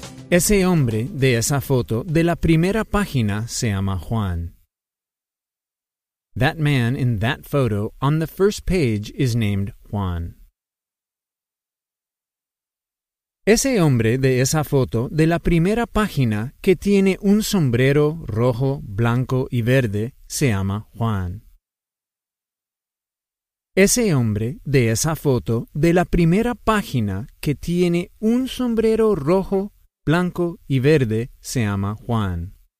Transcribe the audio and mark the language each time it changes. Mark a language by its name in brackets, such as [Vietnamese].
[Spanish] Ese hombre de esa foto de la primera página se llama Juan. [English] That man in that photo on the first page is named Juan. [Spanish] Ese hombre de esa foto de la primera página que tiene un sombrero rojo, blanco y verde se llama Juan. Ese hombre de esa foto de la primera página que tiene un sombrero rojo, blanco y verde se llama Juan.